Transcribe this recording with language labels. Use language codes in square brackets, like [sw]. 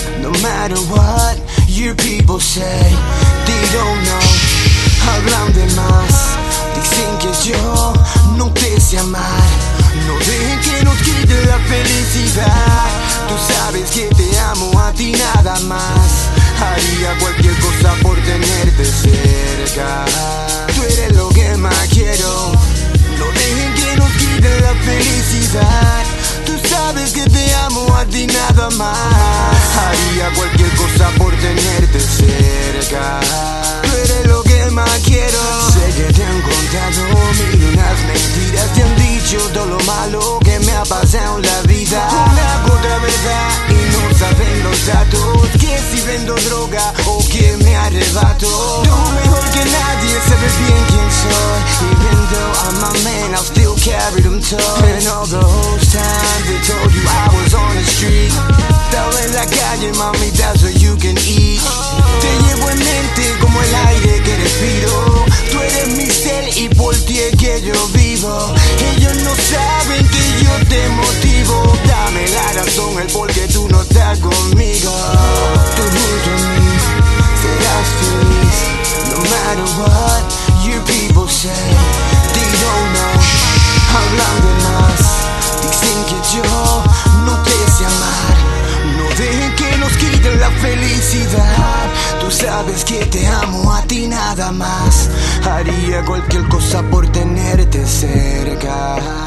[en] No matter what your people say, they don't know. [es] Hablan de más, dicen que yo no te sé amar. No dejen que nos quite la felicidad. Tú sabes que te amo a ti nada más. Haría cualquier cosa por tenerte cerca. Tú eres lo que más quiero. No dejen que nos quite la felicidad. Tú sabes que te amo a ti nada más. Haría cualquier cosa por tenerte cerca. Tú eres lo que más quiero. Sé que te han contado mil unas mentiras. Te han dicho todo lo malo que me ha pasado en la vida. Una puta verdad y no saben los datos. Que si vendo droga o que me arrebato. Tú mejor que nadie sabes bien quién soy. [en] Even though I'm a man, I'll still carry them toys. And all the whole time they told you I was on the street. [es] Estaba en la calle, mami, [en] that's what you can eat. [es] Te llevo en mente como el aire que respiro. Tú eres mi ser y por ti es que yo vivo. Ellos no saben que yo te motivo. Dame la razón, el por qué tú no estás conmigo. Tú junto a mí serás feliz. [en] No matter what your people say, they don't know. [es] Hablan de más, dicen que yo no te sé amar. Dejen que nos quiten la felicidad. Tú sabes que te amo a ti nada más. Haría cualquier cosa por tenerte cerca.